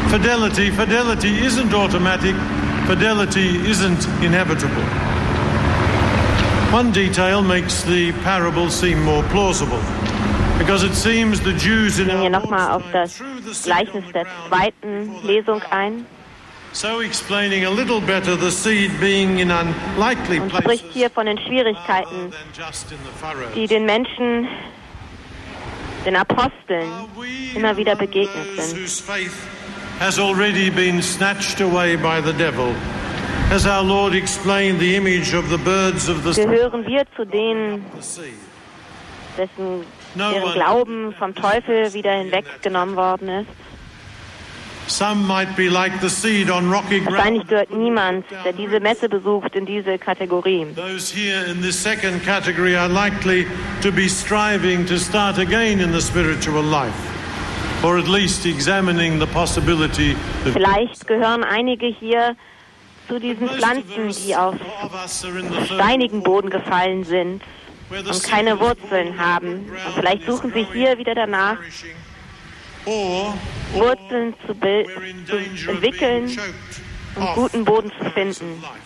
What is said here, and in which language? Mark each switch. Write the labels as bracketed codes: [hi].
[en] Fidelity isn't automatic. Fidelity isn't inevitable. One detail makes the parable seem more plausible, because it seems the Jews in our Lord's time threw the seed on the ground. So explaining a little better the seed being in unlikely places. [de] Und spricht hier von den Schwierigkeiten, die den Menschen, den Aposteln, immer wieder begegnet sind. [en] Whose faith has already been snatched away by the devil. As our Lord explained the image of the birds of the sky. [de] Gehören wir zu denen, dessen Glauben vom Teufel wieder hinweggenommen worden ist? [en] Some might be like the seed on rocky ground. [de] Wahrscheinlich gehört niemand, der diese Messe besucht, in diese Kategorie. [en] Those here in this second category are likely to be striving to start again in the spiritual life. Or at least examining the possibility of. [de] Vielleicht gehören einige hier zu diesen Pflanzen, die auf steinigen Boden gefallen sind und keine Wurzeln haben. Und vielleicht suchen sie hier wieder danach, Wurzeln zu entwickeln und guten Boden zu finden.